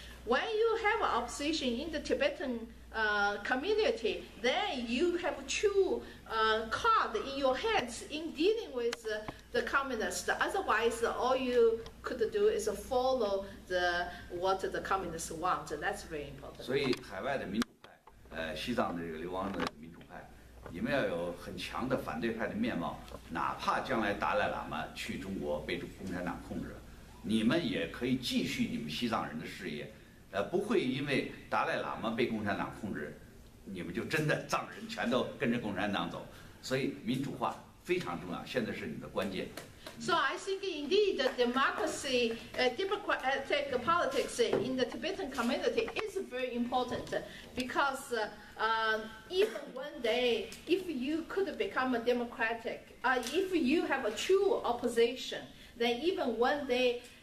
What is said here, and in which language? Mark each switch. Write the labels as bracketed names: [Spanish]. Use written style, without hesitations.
[English] When you have an opposition in the Tibetan community, then you have true card in your hands in dealing with the communists. Otherwise, all you could do is follow what the communists want. That's very important. [Chinese] 所以海外的民主派，西藏的这个流亡的民主派，你们要有很强的反对派的面貌。哪怕将来达赖喇嘛去中国被共产党控制，你们也可以继续你们西藏人的事业。不会因为达赖喇嘛被共产党控制，你们就真的藏人全都跟着共产党走。所以民主化非常重要，现在是你的关键。 [English] So I think indeed the democracy, democratic politics in the Tibetan community is very important because even one day, if you could become a democratic, if you have a true opposition, then even one day.